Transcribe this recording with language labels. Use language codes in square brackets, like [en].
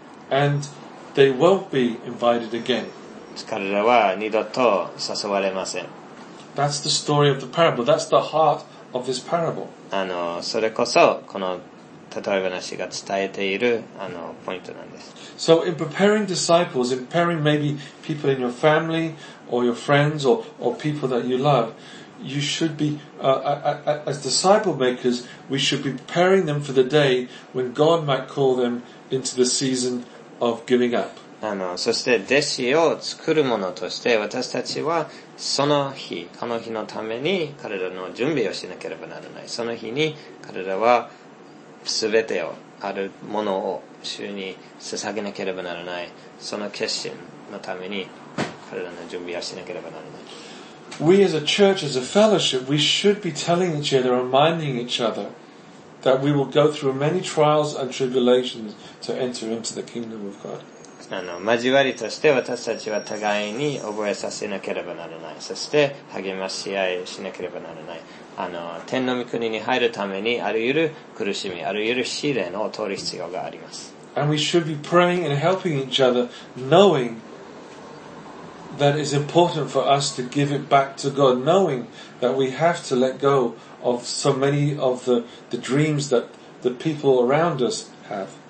[en] And they won't be invited again. [ja] 彼らは二度と誘われません。 [en] That's the story of the parable. That's the heart of this parable. [ja] それこそこの例え話が伝えているポイントなんです。 [en] So in preparing disciples, in preparing maybe people in your family or your friends or people that you love, you should be as disciple makers, we should be preparing them for the day when God might call them into the season of giving up. [ja] そして弟子を作る者として私たちはその日、この日のために彼らの準備をしなければならない。その日に彼らは全てをあるものを主に捧げなければならない。その決心のために彼らの準備をしなければならない。 [en] We as a church, as a fellowship, we should be telling each other, reminding each other that we will go through many trials and tribulations to enter into the kingdom of God. [ja] 交わりとして私たちは互いに覚えさせなければならない。そして励まし合いしなければならない。天の御国に入るためにあるゆる苦しみ、あるゆる試練を通る必要があります。 [en] And we should be praying and helping each other, knowing that it's important for us to give it back to God, knowing that we have to let go of so many of the dreams that the people around us have.